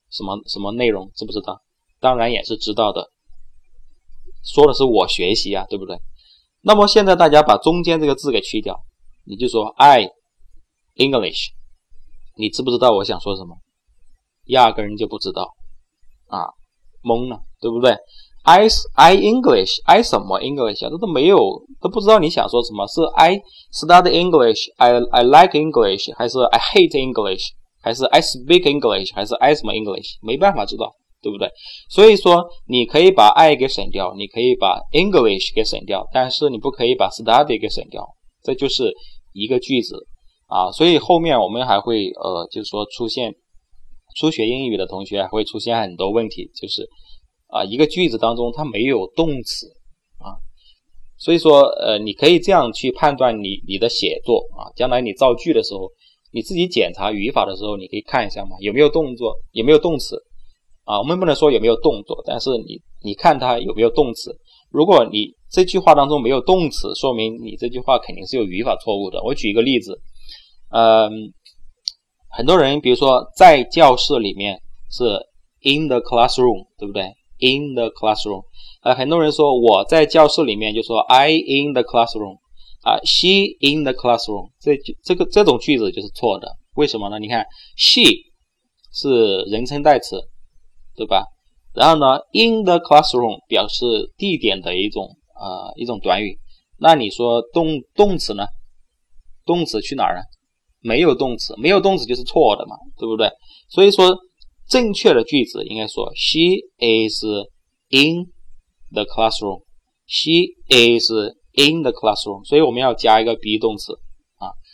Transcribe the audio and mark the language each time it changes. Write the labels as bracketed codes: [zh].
[zh] 什么内容？知不知道？当然也是知道的，说的是我学习啊，对不对？那么现在大家把中间这个字给去掉，你就说 [en] I English， [zh] 你知不知道我想说什么？压根就不知道啊，懵了，对不对？ I English， I 什么 English 啊，都没有，都不知道你想说什么，是 [en] I study English， I like English， [zh] 还是 [en] I hate English， [zh] 还是 [en] I speak English， [zh] 还是 I 什么 English， 没办法知道，对不对？所以说你可以把 I 给省掉，你可以把 English 给省掉，但是你不可以把 study 给省掉，这就是一个句子啊。所以后面我们还会就是说出现初学英语的同学会出现很多问题，就是一个句子当中它没有动词啊。所以说你可以这样去判断你的写作啊，将来你造句的时候，你自己检查语法的时候，你可以看一下嘛，有没有动作，有没有动词啊。我们不能说有没有动作，但是你看它有没有动词。如果你这句话当中没有动词，说明你这句话肯定是有语法错误的。我举一个例子，很多人比如说在教室里面是 [en] in the classroom， [zh] 对不对？ [en] in the classroom， [zh] 很多人说我在教室里面，就说 [en] I in the classroom， she in the classroom， [zh] 这种句子就是错的。为什么呢？你看 she 是人称代词，对吧？然后呢 [en] in the classroom [zh] 表示地点的一种短语，那你说动词呢？动词去哪儿呢？没有动词，没有动词就是错的嘛，对不对？所以说正确的句子应该说 [en] she is in the classroom， [zh] she is in the classroom， 所以我们要加一个 be 动词啊。